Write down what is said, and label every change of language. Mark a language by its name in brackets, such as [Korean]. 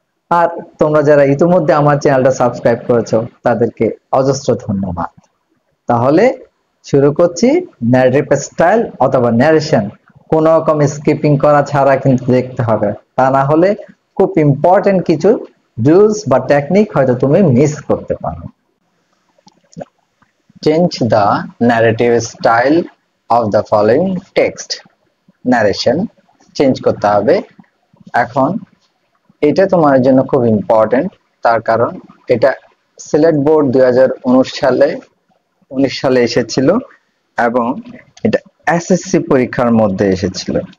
[Bangla] আর তোমরা যারা ইতিমধ্যে আমার চ্যানেলটা সাবস্ক্রাইব করেছো তাদেরকে অজস্র ধন্যবাদ। তাহলে শুরু করছি ন্যারেটিভ স্টাইল অথবা ন্যারেশন, কোনো রকম স্কিপিং করা ছাড়া কিন্তু দেখতে হবে, তা না হলে খুব ইম্পর্টেন্ট কিছু রুলস বা টেকনিক হয়তো তুমি মিস করতে পারো। [English] Change the narrative style of the following text. Narration change [Bangla] করতে হবে। এখন এটা তোমার জন্য খুব ইম্পর্টেন্ট, তার কারণ এটা সিলেট বোর্ড 2019 সালে এসেছিল এবং এটা এসএসসি পরীক্ষার মধ্যে এসেছিল।